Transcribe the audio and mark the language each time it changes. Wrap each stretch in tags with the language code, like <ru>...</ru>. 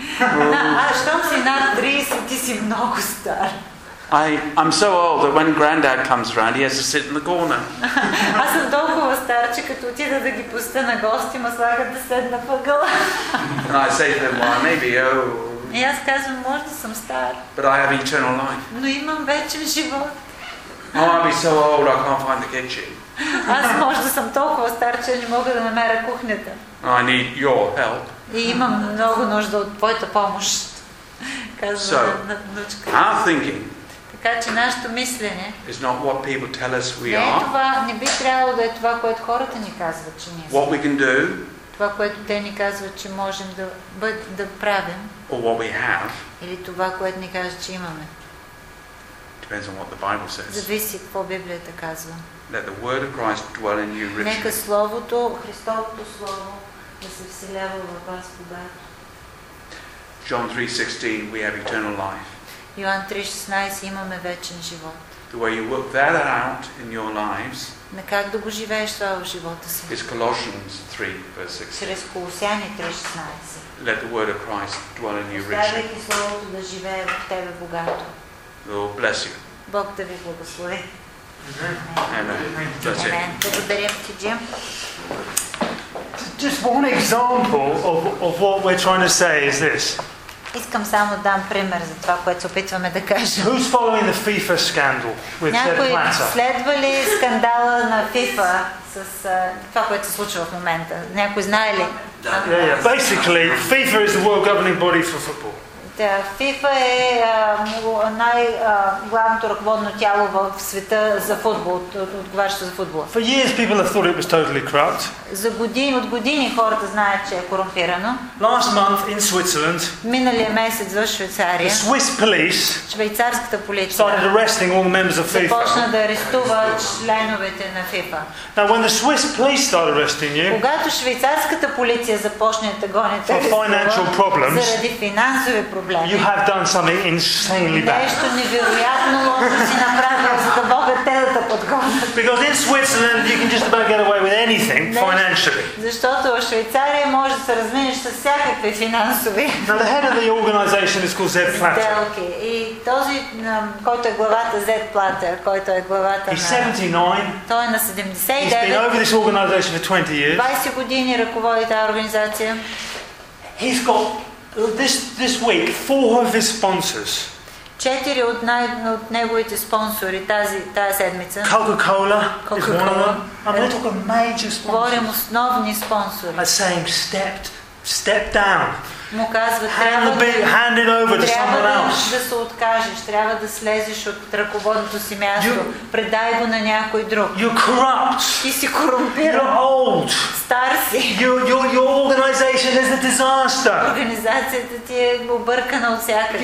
<bg>А щом си над 30, ти си много стар.</bg> <en>I'm so old that when granddad comes around, he has to sit in the corner.</en> <bg>Аз съм толкова стар, че като отида да ги пусна на гости, ме слагат да седна в ъгъла.</bg> <en>And I say to them, well, maybe, oh.</en> <bg>И аз казвам, може да съм стар.</bg> <en>But I have eternal life.</en> <bg>Но имам вечен живот.</bg> <en>Oh, I'll be so old, I can't find the kitchen.</en> <bg>Аз може да съм толкова стар, че не мога да намеря кухнята.</bg> <en>I need your help.</en> <bg>И имам много нужда от твоята помощ. Казвам</bg> <en>so,</en> <bg>на внучка.</bg> <en>I'm thinking.</en> <bg>Така че нашето мислене</bg> <en>is not what people tell us we are.</en> <bg>Не, това не би трябвало да е това, което хората ни казват, че ние сме.</bg> <en>What we can do,</en> <bg>това, което те ни казват, че можем да правим.</bg> <en>Or what we have,</en> <bg>или това, което ни казват, че имаме.</bg> <en>Depends on what the Bible says.</en> <bg>Зависи какво Библията казва.</bg> <en>Let the word of Christ dwell in you richly.</en> <bg>Нека Словото, Христовото Слово да се вселява в вас богато.</bg> <en>John 3:16, we have eternal life.</en> <bg>Йоан 3:16 имаме вечен живот.</bg> <en>The way you work that out in your lives.</en> <bg>На как да го живееш това в живота си?</bg> <en>Is Colossians 3:16.</en> <bg>Чрез Колосяни 3:16.</bg> <en>Let the word of Christ dwell in you richly.</en> <bg>Оставяй Словото да живее в тебе богато.</bg> <en>Lord bless you.</en> <bg>Бог да ви благослови.</bg> <en>Amen.</en> <bg>Благодарим ти, Джим.</bg> <en>Just one example of what we're trying to say is this.</en> <bg>Искам само да дам пример за това, което опитваме да кажем.</bg> <en>Who's following the FIFA scandal with Jeff Blatter?</en> <bg>Някой следва ли скандала на FIFA с това, което се случва в момента? Някой знае ли?</bg> <en>Yeah. Basically, FIFA is the world governing body for football.</en> <bg>Да, FIFA е най-главното ръководно тяло в света за футбол, отговарящо за футбола.</bg> <en>For years people have thought it was totally corrupt.</en> <bg>За години, от години хората знаят, че е корумпирано.</bg> <en>Last month in Switzerland.</en> <bg>Миналия месец в Швейцария.</bg> <en>The Swiss police.</en> <bg>Швейцарската полиция.</bg> <en>Started arresting all the members of FIFA.</en> <bg>Започна да арестува членовете на FIFA.</bg> <en>Now when the Swiss police started arresting you.</en> <bg>Когато швейцарската полиция започне да гони те.</bg> <en>For financial problems.</en> <bg>Заради финансови проблеми.</bg> <en>You have done something insanely bad.</en> <bg>Нещо невероятно лошо си направил, за да могат те да те подгонят.</bg> <en>Because in Switzerland you can just about get away with anything financially.</en> <bg>Защото в Швейцария можеш да се разминеш с всякакви финансови.</bg> <en>Now the head of the organization is called Zed Platter.</en> <bg>И този, който е главата, Зед Платер, който е главата на...</bg> <en>He's 79.</en> <bg>Той е на 79.</bg> <en>He's been over this organization for 20 years.</en> <bg>20 години ръководи тази организация.</bg> <en>He's got This week, 4 of his sponsors.</en> <bg>4 от неговите спонсори тази седмица.</bg> <en>Coca-Cola. I'm not talking major sponsors.</en> <bg>Говорим основни спонсори.</bg> <en>I'm saying step down.</en> <bg>Му казва,</bg> <en>hand it over to someone else.</en> <bg>Да се откажеш, трябва да слезеш от ръководното си място. Предай го на някой друг.</bg> <en>You're corrupt.</en> <bg>Ти си корумпиран.</bg> <en>You're old.</en> <bg>Стар си.</bg> <en>Your organization is a disaster.</en> <bg>Организацията ти е объркана от всякъде.</bg>